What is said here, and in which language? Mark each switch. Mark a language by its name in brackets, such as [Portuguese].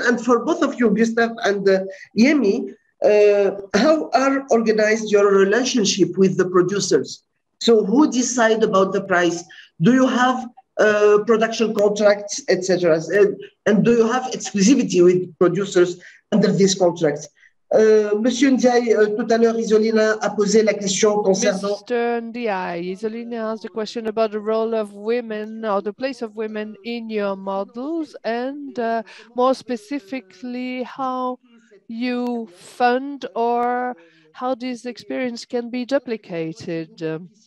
[English] And for both of you, Gustav and Yemi, how are organized your relationship with the producers? So who decide about the price? Do you have production contracts, etc., and do you have exclusivity with producers under these contracts? [French] Monsieur Ndiaye, tout à l'heure, Isolina a posé la question concernant... [English] Mr. Ndiaye, Isolina asked a question about the role of women or the place of women in your models, and more specifically, how you fund or how this experience can be duplicated.